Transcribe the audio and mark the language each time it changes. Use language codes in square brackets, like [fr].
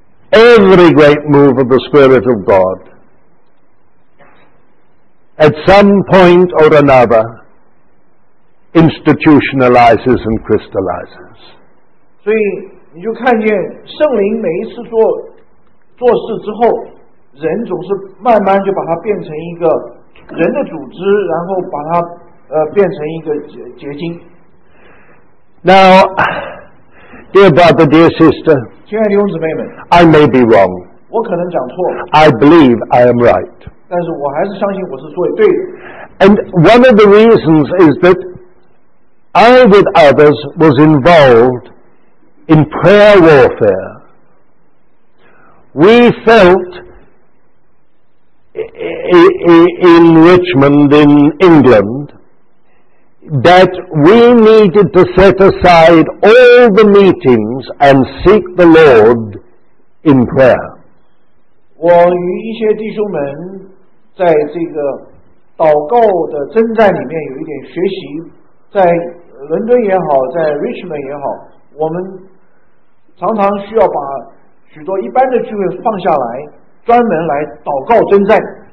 [en] every great move of the spirit of God at some point or anotherinstitutionalizes and crystallizes. [zh] 所以你就看见圣灵每一次做事之后，人总是慢慢就把它变成一个人的组织，然后把它变成一个结晶。 [en] Now, dear brother, dear sister, [zh] 亲爱的弟兄姊妹们 [en] I may be wrong. [zh] 我可能讲错。 [en] I believe I am right. [zh] 但是我还是相信我是对的。 [en] And one of the reasons is that. I, with others, was involved in prayer warfare. We felt in Richmond, in England, that we needed to set aside all the meetings and seek the Lord in prayer. [zh] 我与一些弟兄们在这个祷告的征战里面有一点学习，在伦敦也好，在 Richmond 也好，我们常常需要把许多一般的聚会放下来，专门来祷告征战。